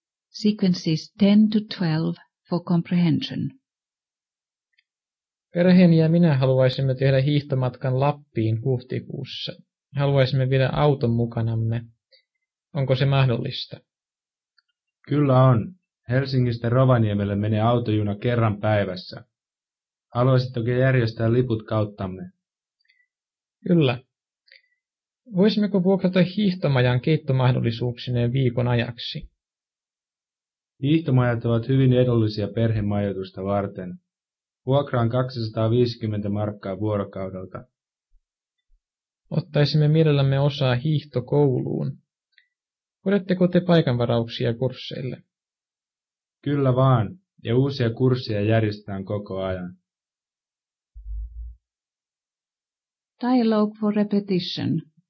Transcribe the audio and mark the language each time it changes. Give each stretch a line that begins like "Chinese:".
English: Sequences 10 to 12 for comprehension.
Finnish: Perheeni ja minä haluaisimme tehdä hiihtomatkan Lappiin huhtikuussa. Haluaisimme viedä auton mukanamme. Onko se mahdollista? Kyllä on. Helsingistä Rovaniemelle menee autojuna kerran päivässä. Haluaisitko järjestää liput kauttamme? Kyllä. Voisimmeko vuokrata hiihtomajan keittomahdollisuuksineen viikon ajaksi? Hiihtomajat ovat hyvin edullisia perhemajoitusta varten. Vuokra on 250 markkaa vuorokaudelta. Ottaisimme mielellämme osaa hiihtokouluun. Odotteko te paikanvarauksia kursseille? Kyllä vaan, ja uusia kursseja järjestetään koko ajan.
English: Dialogue for repetition.